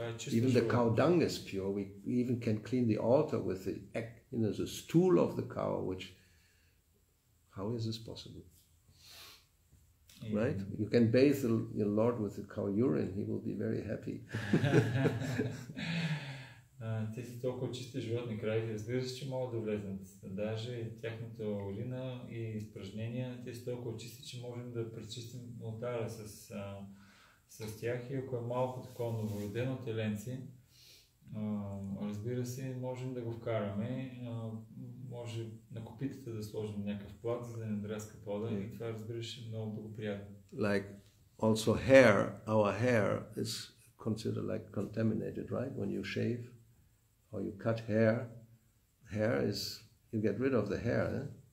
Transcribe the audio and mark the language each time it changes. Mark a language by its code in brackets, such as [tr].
[en] Even the cow dung is pure. We even can clean the altar with the egg, you know, the stool of the cow, which, how is this possible? Yeah. Right? You can bathe your Lord with the cow urine. He will be very happy. [bg] Те са толкова чисти животни крави, разбира се, че могат да влезнат. Даже тяхната урина и изпражнения, те са толкова чисти, че можем да пречистим алтара с тях. И ако е малко такова новородено теленце, разбира се, можем да го вкараме. Може на копитата да сложим някакъв плат, за да не дряска пода. И това, разбира се, е много благоприятно. [en] Like also hair, our hair is considered like contaminated, right? When you shave or you cut hair, hair is, you get rid of the hair, eh?